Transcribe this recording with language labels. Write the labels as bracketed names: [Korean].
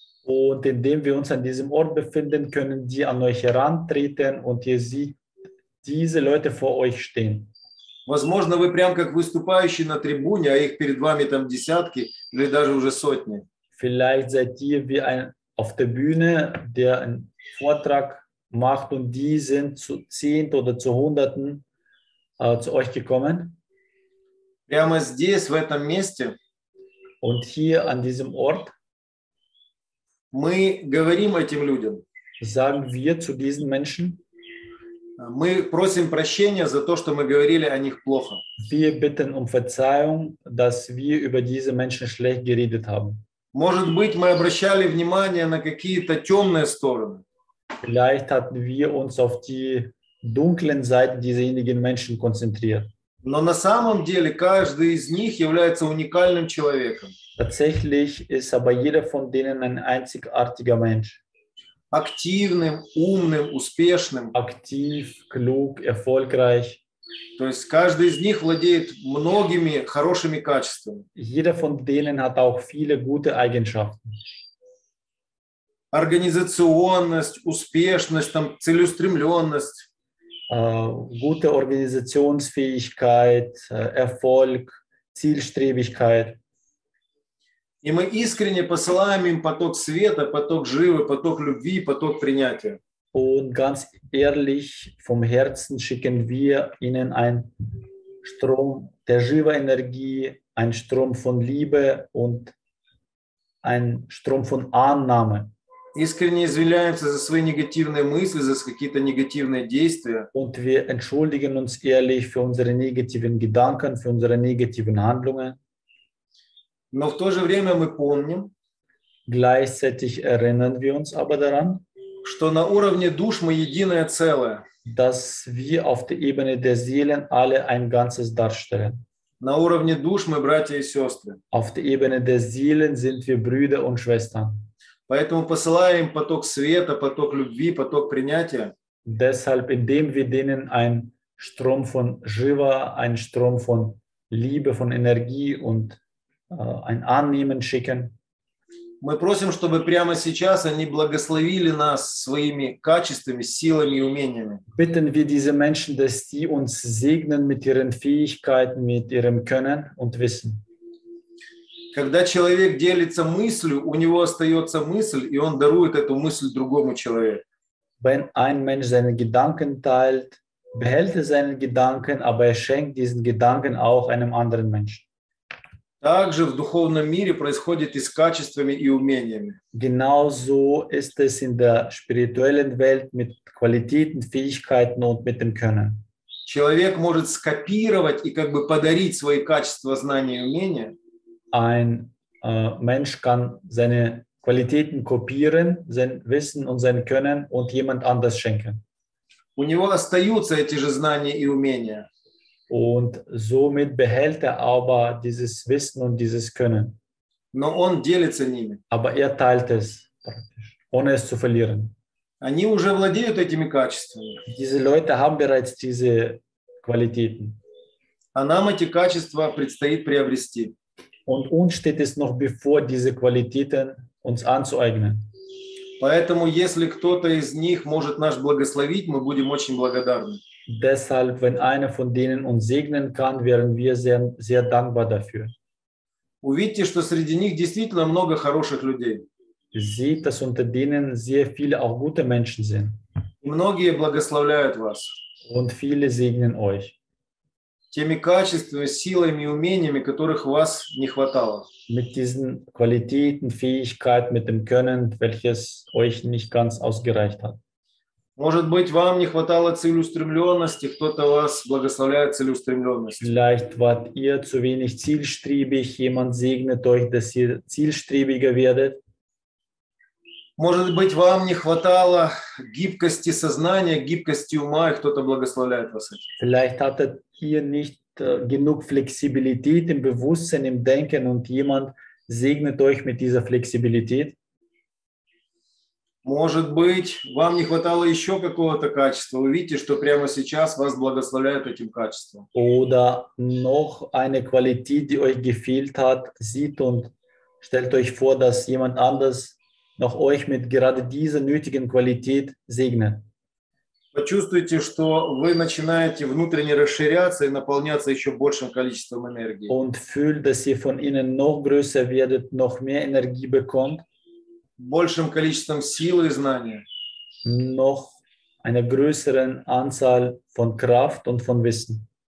[German] Und indem wir uns an diesem Ort befinden, können die an euch herantreten und ihr seht diese Leute vor euch stehen. [Russian] Возможно, вы прям как выступающий на трибуне, а их перед вами там десятки или даже уже сотни. [German] Vielleicht seid ihr wie ein auf der Bühne, der einen Vortrag macht und die sind zu Zehnten oder zu Hunderten zu euch gekommen. [Russian] Прямо здесь, в этом месте. [German] Und hier an diesem Ort. [Russian] Мы говорим этим людям. [German] Sagen wir zu diesen Menschen. [Russian] Мы просим прощения за то, что мы говорили о них плохо. [German] Wir bitten um Verzeihung, dass wir über diese Menschen schlecht geredet haben. [Russian] Может быть, мы обращали внимание на какие-то темные стороны. [German] Vielleicht hatten wir uns auf die dunklen Seiten dieserjenigen Menschen konzentriert. [Russian] Но на самом деле каждый из них является уникальным человеком. [German] Tatsächlich ist aber jeder von denen ein einzigartiger Mensch. [Russian] Aktivным, умным, успешным. [German] Aktiv, klug, erfolgreich. [Russian] То есть каждый из них владеет многими хорошими качествами. [German] Jeder von denen hat auch viele gute Eigenschaften. [Russian] Организационность, успешность, там, целеустремленность. [German] Gute Organisationsfähigkeit, Erfolg, Zielstrebigkeit. [Russian] И мы искренне посылаем им поток света, поток живы, поток любви, поток принятия. [German] Und ganz ehrlich vom Herzen schicken wir ihnen einen Strom der [Russian] живой [German] Energie, einen Strom von Liebe und einen Strom von Annahme. [Russian] искренне извиняемся за свои негативные мысли, за какие-то негативные действия. [German] Und wir entschuldigen uns ehrlich für unsere negativen Gedanken, für unsere negativen Handlungen. [Russian] Но в то же время мы помним, [German] gleichzeitig erinnern wir uns aber daran, [Russian] что на уровне душ мы единое целое. [German] Dass wir auf der Ebene der Seelen alle ein Ganzes darstellen. [Russian] На уровне душ мы братья и сестры. [German] Auf der Ebene der Seelen sind wir Brüder und Schwestern. [Russian] Поэтому посылая им поток света, поток любви, поток принятия. [German] Deshalb, indem wir denen einen Strom von Shiva, einen Strom von Liebe, von Energie und ein Annehmen schicken. [Russian] Мы просим, чтобы прямо сейчас они благословили нас своими качествами, силами и умениями. [German] Bitten wir diese Menschen, dass sie uns segnen mit ihren Fähigkeiten, mit ihrem Können und Wissen. [Russian] Когда человек делится мыслью, у него остается мысль, и он дарует эту мысль другому человеку. [German] Wenn ein Mensch seine Gedanken teilt, behält er seinen Gedanken, aber er schenkt diesen Gedanken auch einem anderen Menschen. [Russian] Также в духовном мире происходит и с качествами и умениями. [German] Genauso ist es in der spirituellen Welt mit Qualitäten, Fähigkeiten und mit dem Können. [Russian] Человек может скопировать и как бы подарить свои качества, знания и умения. [German] Ein Mensch kann seine Qualitäten kopieren, sein Wissen und sein Können und jemand anders schenken. [Russian] У него остаются эти же знания и умения. [German] Und somit behält er aber dieses Wissen und dieses Können. [Russian] Но он делится ними. [German] Aber er teilt es praktisch, ohne es zu verlieren. [Russian] Они уже владеют этими качествами. [German] Diese Leute haben bereits diese Qualitäten. [Russian] А нам эти качества предстоит приобрести. [German] Und uns steht es noch bevor, diese Qualitäten uns anzueignen. [Russian] Поэтому, если кто-то из них может нас благословить, мы будем очень благодарны. [German] Deshalb, wenn einer von denen uns segnen kann, wären wir sehr, sehr dankbar dafür. [Russian] Увидьте, что среди них действительно много хороших людей. [German] Sieht, dass unter denen sehr viele auch gute Menschen sind. [Russian] И многие благословляют вас. [German] Und viele segnen euch. [Russian] Теми качествами, силами и умениями, которых у вас не хватало. [German] Mit diesen Qualitäten, Fähigkeiten, mit dem Können, welches euch nicht ganz ausgereicht hat. [Russian] Может быть, вам не хватало целеустремленности, кто-то вас благословляет целеустремленностью. [German] Vielleicht wart ihr zu wenig zielstrebig, jemand segnet euch, dass ihr zielstrebiger werdet. [Russian] Может быть, вам не хватало гибкости сознания, гибкости ума, и кто-то благословляет вас этим. [German] Vielleicht hattet ihr nicht genug Flexibilität im Bewusstsein, im Denken, und jemand segnet euch mit dieser Flexibilität. [Russian] Может быть, вам не хватало еще какого-то качества. Вы видите, что прямо сейчас вас благословляют этим качеством. [German] Oder noch eine Qualität, die euch gefehlt hat, sieht und stellt euch vor, dass jemand anders noch euch mit gerade dieser nötigen Qualität segnet. [Russian] Почувствуйте, что вы начинаете внутренне расширяться и наполняться еще большим количеством энергии. [German] Und fühlt, dass ihr von innen noch größer werdet, noch mehr Energie bekommt. [Russian] Большим количеством силы и знания. [German] Noch einer größeren Anzahl von Kraft und von Wissen.